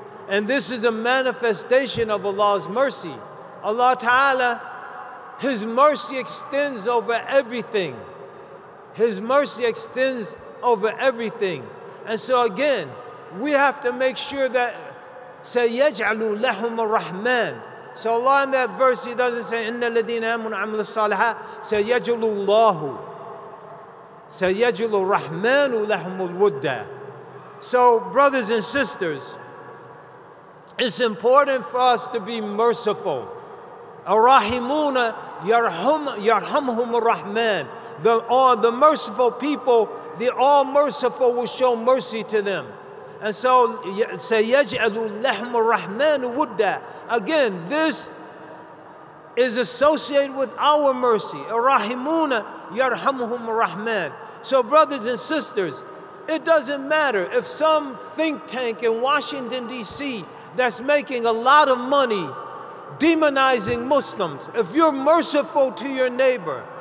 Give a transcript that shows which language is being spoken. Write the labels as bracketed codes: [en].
[en] And this is a manifestation of Allah's mercy. Allah ta'ala, His mercy extends over everything. His mercy extends over everything. And so again, we have to make sure that [ar] سَيَجْعَلُوا لَهُمَ الرَّحْمَنِ. [en] So Allah in that verse, He doesn't say, [ar] إِنَّ الَّذِينَ آمُنُوا عَمِلُوا الصَّالِحَاتِ سَيَجْعَلُ اللَّهُ سَيَجْعَلُ الرَّحْمَنُ لَهُمُ الْوُدَّةِ. [en] So brothers and sisters, it's important for us to be merciful. [ar] أَرَّحِمُونَ يَرْحَمْهُمُ الرَّحْمَنُ. [en] The merciful people, the all-merciful will show mercy to them. And so, [ar] سَيَجْعَلُ لَهُمُ الرَّحْمَنُ وُدَّا. [en] Again, this is associated with our mercy. [ar] أَرَّحِمُونَ يَرْحَمُهُمُ الرَّحْمَنُ. [en] So brothers and sisters, it doesn't matter if some think tank in Washington, D.C. that's making a lot of money demonizing Muslims. If you're merciful to your neighbor,